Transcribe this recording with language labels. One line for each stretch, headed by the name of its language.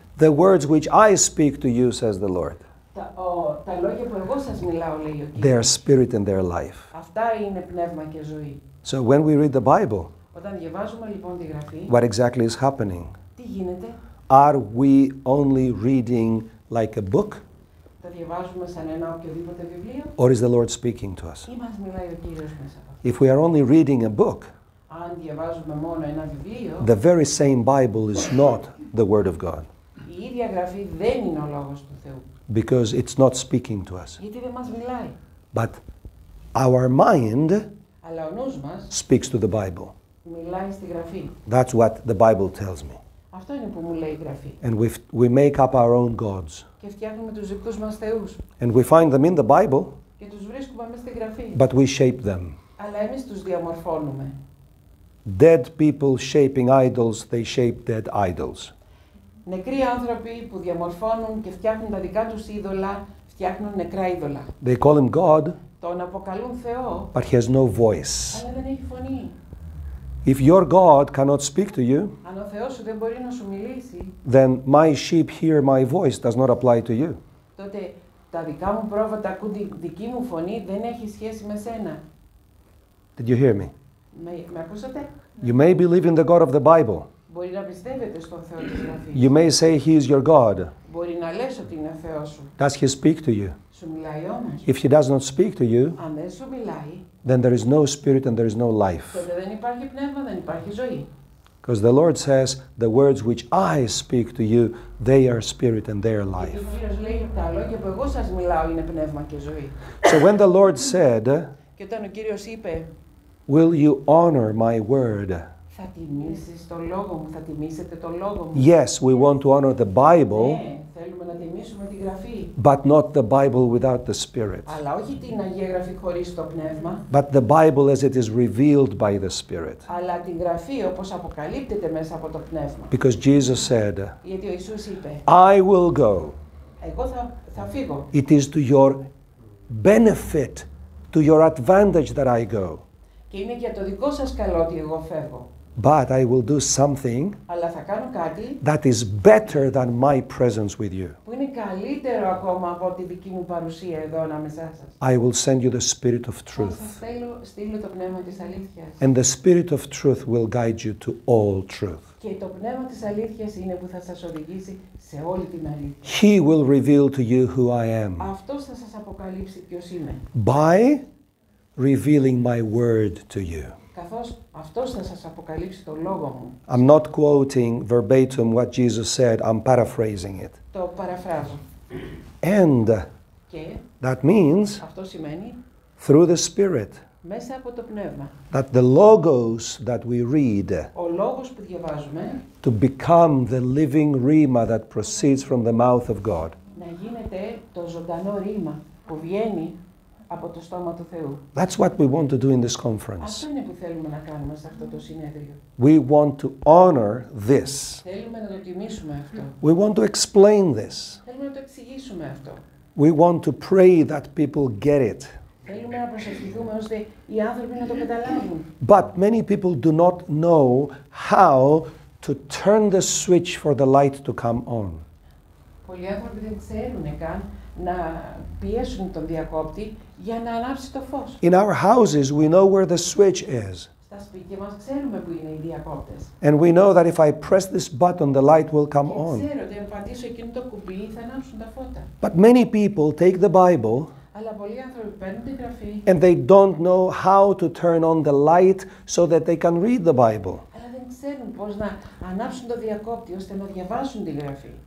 English: The words which I speak to you, says the Lord.
Greek: Τα λόγια που εγώ σας μιλάω, λέει ο Κύριος.
English: They are spirit and they are life.
Greek: Αυτά είναι πνεύμα και ζωή.
English: So when we read the Bible,
Greek: όταν διαβάζουμε λοιπόν τη Γραφή,
English: what exactly is happening?
Greek: Τι γίνεται?
English: Are we only reading like a book?
Greek: Τα διαβάζουμε σαν ένα οποιοδήποτε βιβλίο?
English: Or is the Lord speaking to us?
Greek: Ή μας μιλάει ο Κύριος μέσα από αυτό.
English: If we are only reading a book,
Greek: αν διαβάζουμε μόνο ένα βιβλίο,
English: the very same Bible is not the Word of God.
Greek: Η Αγία Γραφή δεν είναι ο λόγος του Θεού.
English: Because it's not speaking to us.
Greek: Γιατί δεν μας μιλάει.
English: But our mind
Greek: αλλά ο νους μας
English: speaks to the Bible.
Greek: Μιλάει στη Γραφή.
English: That's what the Bible tells me.
Greek: Αυτό είναι που μου λέει η Γραφή.
English: And we make up our own gods.
Greek: Και φτιάχνουμε τους δικούς μας θεούς.
English: And we find them in the Bible.
Greek: Και τους βρίσκουμε μέσα στη Γραφή.
English: But we shape them.
Greek: Αλλά εμείς τους διαμορφώνουμε.
English: Dead people shaping idols, they shape dead idols.
Greek: Νεκροί άνθρωποι που διαμορφώνουν και φτιάχνουν τα δικά τους είδωλα, φτιάχνουν νεκρά είδωλα.
English: They call him God.
Greek: Τον αποκαλούν Θεό.
English: But he has no voice.
Greek: Αλλά δεν έχει φωνή.
English: If your God cannot speak to you,
Greek: αν ο Θεός σου δεν μπορεί να σου μιλήσει,
English: then my sheep hear my voice does not apply to you.
Greek: Τότε τα δικά μου πρόβατα ακούν τη δική μου φωνή, δεν έχει σχέση με σένα.
English: Did you hear me?
Greek: Με ακούσατε?
English: You may believe in the God of the Bible.
Greek: Μπορεί να πιστεύετε στον Θεό της Γραφής.
English: You may say he is your God.
Greek: Μπορεί να λες ότι είναι ο Θεός σου.
English: Does he speak to you?
Greek: Σου μιλάει όμως.
English: If he does not speak to you,
Greek: αν δεν σου μιλάει,
English: then there is no spirit and there is no life.
Greek: Τότε δεν υπάρχει πνεύμα, δεν υπάρχει ζωή.
English: Because the Lord says, the words which I speak to you, they are spirit and they are life.
Greek: Γιατί ο Κύριος λέει, τα λόγια που εγώ σας μιλάω είναι πνεύμα και ζωή.
English: So when the Lord said,
Greek: και όταν ο Κύριος είπε,
English: will you honor my word?
Greek: Θα τιμήσεις το λόγο μου, θα τιμήσετε το λόγο μου.
English: Yes, we want to honor the Bible.
Greek: Ναι, θέλουμε να τιμήσουμε τη Γραφή.
English: But not the Bible without the Spirit.
Greek: Αλλά όχι την Αγία Γραφή χωρίς το Πνεύμα.
English: But the Bible as it is revealed by the Spirit.
Greek: Αλλά την Γραφή όπως αποκαλύπτεται μέσα από το Πνεύμα.
English: Because Jesus said,
Greek: γιατί ο Ιησούς είπε,
English: I will go.
Greek: Εγώ θα φύγω.
English: It is to your benefit, to your advantage that I go.
Greek: Και είναι για το δικό σας καλό ότι εγώ φεύγω.
English: But I will do something
Greek: αλλά θα κάνω κάτι
English: that is better than my presence with you.
Greek: Που είναι καλύτερο ακόμα από τη δική μου παρουσία εδώ ανάμεσά σας.
English: I will send you the Spirit of Truth.
Greek: Θα σας στείλω το Πνεύμα της Αλήθειας.
English: And the Spirit of Truth will guide you to all truth.
Greek: Και το Πνεύμα της Αλήθειας είναι που θα σας οδηγήσει σε όλη την αλήθεια.
English: He will reveal to you who I am.
Greek: Αυτός θα σας αποκαλύψει ποιος είμαι.
English: By revealing my word to you.
Greek: Καθώς αυτός θα σας αποκαλύψει το λόγο μου.
English: I'm not quoting verbatim what Jesus said, I'm paraphrasing it.
Greek: Το παραφράζω.
English: And
Greek: και
English: that means
Greek: αυτό σημαίνει
English: through the Spirit
Greek: μέσα από το Πνεύμα
English: that the logos that we read
Greek: ο λόγος που διαβάζουμε
English: to become the living rhema that proceeds from the mouth of God.
Greek: Να γίνεται το ζωντανό ρήμα που βγαίνει από το στόμα του Θεού.
English: That's what we want to do in this conference.
Greek: Αυτό είναι που θέλουμε να κάνουμε σε αυτό το συνέδριο.
English: We want to honor this.
Greek: Θέλουμε να το τιμήσουμε αυτό.
English: We want to explain this.
Greek: Θέλουμε να το εξηγήσουμε αυτό.
English: We want to pray that people get it.
Greek: Θέλουμε να προσευχηθούμε ώστε οι άνθρωποι να το καταλάβουν.
English: But many people do not know how to turn the switch for the light to come on.
Greek: Πολλοί άνθρωποι δεν ξέρουν καν να πιέσουν τον διακόπτη για να ανάψει το φως.
English: In our houses we know where the switch is.
Greek: Στα σπίτια μας ξέρουμε που είναι οι διακόπτες.
English: And we know that if I press this button the light will come on.
Greek: Ξέρω ότι αν πατήσω εκείνο το κουμπί θα ανάψουν τα φώτα.
English: But many people take the Bible.
Greek: Αλλά πολλοί άνθρωποι παίρνουν τη Γραφή.
English: And they don't know how to turn on the light so that they can read the Bible.
Greek: Αλλά δεν ξέρουν πώς να ανάψουν το διακόπτη ώστε να διαβάσουν τη Γραφή.